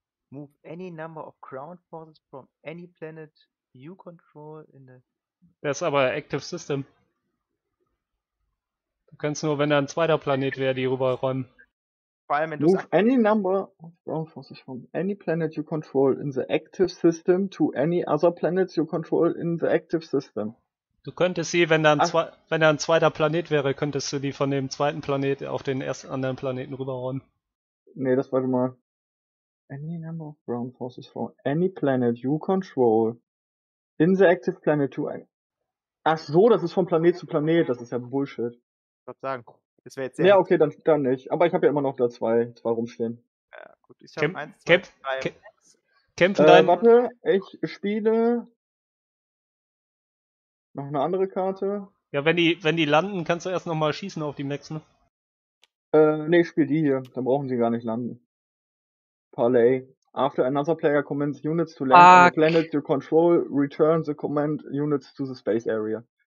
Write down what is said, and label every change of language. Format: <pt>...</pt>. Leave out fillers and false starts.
<en>Move any number of ground forces from any planet you control in the...</en> <de>Das ist aber Active System. Du kannst nur, wenn da ein zweiter Planet wäre, die rüberräumen. Vor allem, wenn</de> <en>Move any number of ground forces from any planet you control in the active system to any other planets you control in the active system.</en> <de>Du könntest sie, wenn da ein zweiter Planet wäre, könntest du die von dem zweiten Planet auf den ersten anderen Planeten rüberräumen. Nee, das warte mal.</de> <en>Any number of ground forces from any planet you control in the active planet to any.</en> <de>Ach so, das ist von Planet zu Planet, das ist ja Bullshit. Sagen. Das wäre jetzt sehr. Ja, okay, dann nicht. Aber ich habe ja immer noch da zwei rumstehen. Ja, gut. Ich habe eins. Kämpfen dein. Warte, ich spiele. Noch eine andere Karte. Ja, wenn die landen, kannst du erst nochmal schießen auf die Max, ne? Ich spiele die hier. Dann brauchen sie gar nicht landen. Parley.</de> <en>After another player commands units to land on the planet you control, return the command units to the space area.</en>